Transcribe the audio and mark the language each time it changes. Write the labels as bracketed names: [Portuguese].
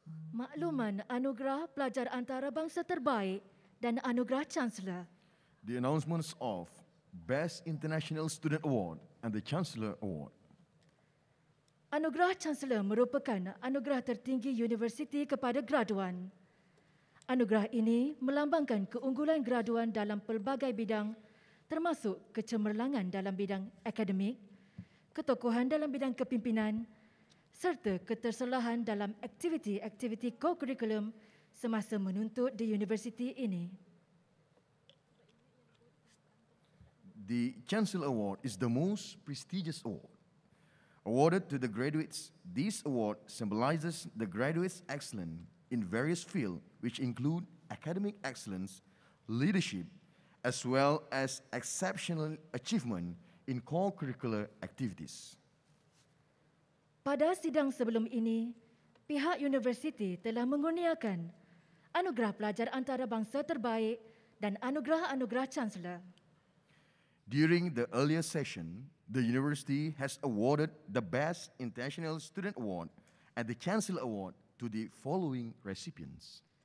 [Malay] Makluman Anugerah Pelajar Antarabangsa Terbaik dan Anugerah Chancellor. [English] The announcements of Best International Student Award and the Chancellor Award. [Malay] Anugerah Chancellor merupakan anugerah tertinggi universiti kepada graduan. Anugerah ini melambangkan keunggulan graduan dalam pelbagai bidang termasuk kecemerlangan dalam bidang akademik, ketokohan dalam bidang kepimpinan, serta keterselahan dalam aktiviti-aktiviti co-curriculum semasa menuntut di universiti ini. [English] The Chancellor Award is the most prestigious award. Awarded to the graduates, this award symbolizes the graduates' excellence in various fields, which include academic excellence, leadership, as well as exceptional achievement in co-curricular activities. [Malay] Pada sidang sebelum ini, pihak universiti telah mengurniakan Anugerah Pelajar Antarabangsa Terbaik dan Anugerah-Anugerah Chancellor. [English] During the earlier session, the university has awarded the Best International Student Award and the Chancellor Award to the following recipients.